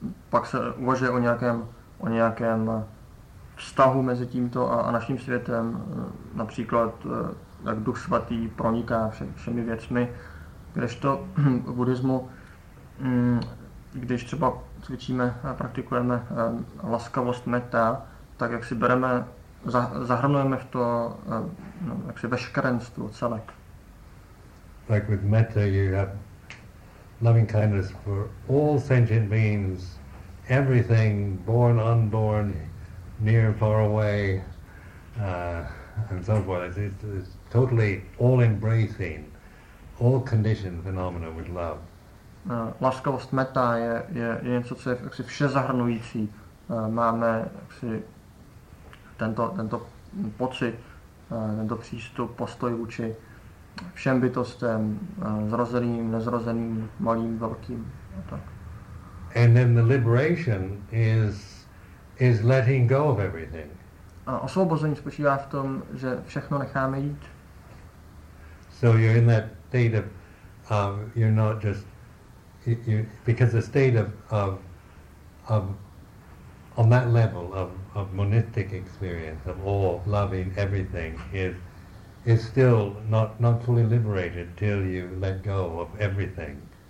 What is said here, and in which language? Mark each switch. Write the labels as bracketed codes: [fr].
[cs] pak se uvažuje o nějakém vztahu mezi tímto a naším světem, například jak Duch Svatý proniká všemi věcmi, kdežto v buddhismu když třeba cvičíme a praktikujeme laskavost metta, tak jak si bereme, zahrnujeme v to jaksi veškerenstvo, celek. [en] Like with metta you have loving kindness for all sentient beings, everything, born, unborn, near, far away, and so forth. It's totally all embracing, all conditioned phenomena with love. [cs] Laskavost metta je něco, co je jaksi vše zahrnující. Máme jaksi tento pocit, tento přístup, postoj vůči všem bytostem, zrozeným, nezrozeným, malým, velkým a tak. [en] And then the liberation is letting go of everything. [cs] A osvobození spočívá v tom, že všechno necháme jít. [en] So you're in that state of you're not just you, because the state of on that level of monistic experience of all loving everything is still not fully liberated till you let go of everything.